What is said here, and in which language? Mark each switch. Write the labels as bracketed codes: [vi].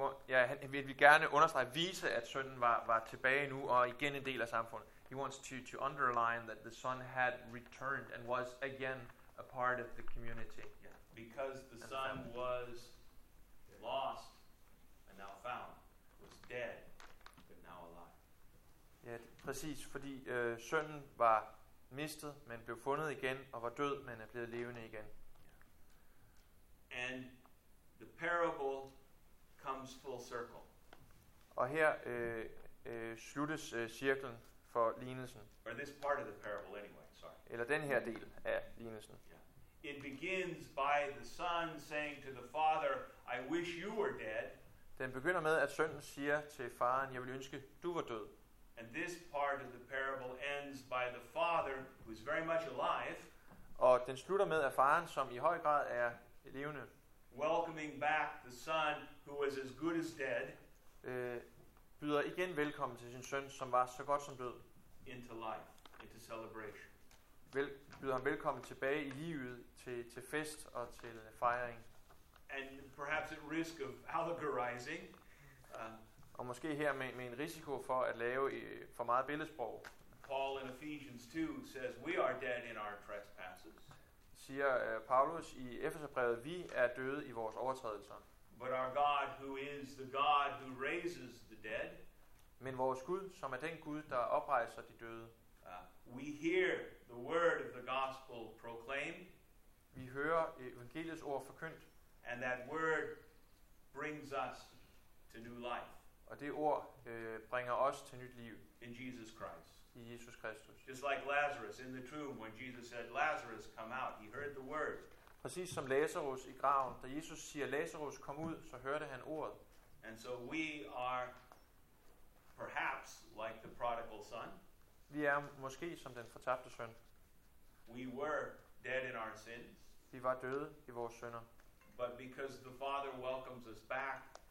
[da] Han vil gerne understrege vise, at sønnen var tilbage nu og igen en del af samfundet. [en] He wants to underline that the son had returned and was again a part of the community. Yeah. Because the son was lost and now found, was dead but now alive. [da] Ja, præcis, fordi sønnen var mistet, men blev fundet igen og var død, men er blevet levende igen. [en] Yeah. And the parable comes full circle. [da] Og her sluttes cirklen for lignelsen. [en] Or this part of the parable anyway, sorry. [da] Eller den her del af lignelsen. [en] Yeah. It begins by the son saying to the father, I wish you were dead. [da] Den begynder med at sønnen siger til faren, jeg vil ønske du var død. [en] And this part of the parable ends by the father who is very much alive. [da] Og den slutter med at faren, som i høj grad er levende, [en] welcoming back the son who was as good as dead. [da] Byder igen velkommen til sin søn, som var så godt som død. [en] Into life, into celebration. [da] Byder ham velkommen tilbage i livet til fest og til fejring. [en] And perhaps at risk of allegorizing. [da] Og måske her med en risiko for at lave for meget billedsprog. [en] Paul in Ephesians 2 says we are dead in our trespasses. [da] Siger Paulus i Efeserbrevet, vi er døde i vores overtrædelser. [en] But our God, who is the God who raises the dead. [da] Men vores Gud, som er den Gud, der oprejser de døde. [en] We hear the word of the gospel proclaimed. [da] Vi hører evangeliets ord forkyndt. [en] And that word brings us to new life. [da] Og det ord bringer os til nyt liv. [en] In Jesus Christ. [da] I Jesus Kristus. [en] Just like Lazarus in the tomb when Jesus said, Lazarus, come out. He heard the word. [da] Præcis som Lazarus i graven, da Jesus siger, Lazarus, kom ud, så hørte han ordet. [en] And so we are perhaps like the prodigal son. [da] Vi er måske som den fortabte søn. [en] We were dead in our sins. [da] Vi var døde i vores synder. [en] But because the Father welcomes us back.